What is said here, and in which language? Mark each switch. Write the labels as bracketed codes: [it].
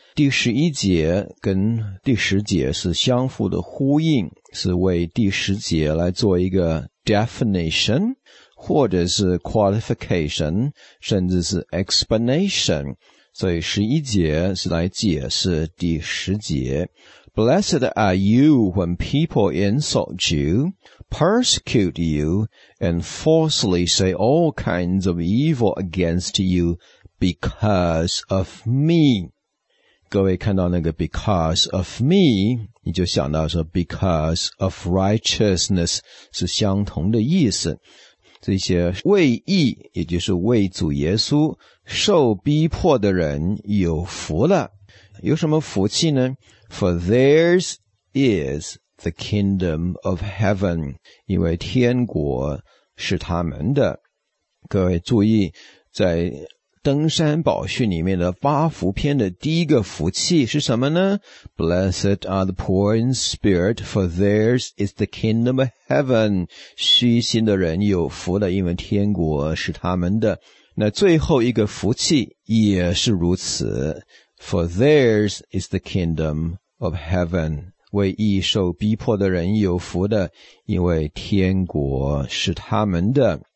[zh] 第十一节跟第十节是相互的呼应，是为第十节来做一个 definition 或者是 qualification 甚至是 explanation。所以十一节是来解释第十节。 [en] Blessed are you when people insult youpersecute you and falsely say all kinds of evil against you because of me. [zh] 各位看到那个 [en] because of me, [zh] 你就想到说 [en] because of righteousness [zh] 是相同的意思。这些为义，也就是为主耶稣受逼迫的人有福了。有什么福气呢？ [en] For theirs is the kingdom of heaven, [zh] 因为天国是他们的。各位注意，在登山宝训里面的八福篇的第一个福气是什么呢？ [en] Blessed are the poor in spirit, for theirs is the kingdom of heaven. [zh] 虚心的人有福的，因为天国是他们的。那最后一个福气也是如此， [en] For theirs is the kingdom of heaven. [zh] 为义受逼迫的人有福的，因为天国是他们的。